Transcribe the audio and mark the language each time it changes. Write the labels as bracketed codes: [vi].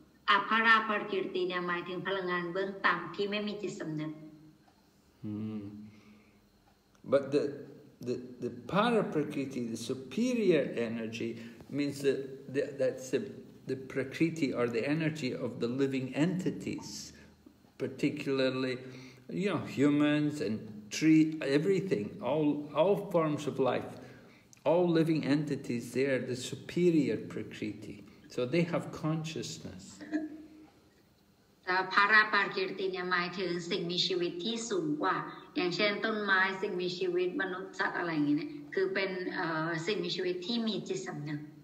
[th] อภราภกิรติเนี่ยหมายถึงพลังงานเบื้องต่ำที่ไม่มีจิตสำนึก [en] But the para prakriti the superior energy means that's the prakriti or the energy of the living entities particularly you know humans and tree everything all forms of life all living entities they are the superior prakriti so they have consciousness [th] para prakriti เนี่ยหมายถึงสิ่งมีชีวิตที่สูงกว่าอย่างเช่นต้นไม้สิ่งมีชีวิตมนุษย์สัตว์อะไรอย่างเงี้ยคือเป็นสิ่งมีชีวิตที่มีจิตสำนึก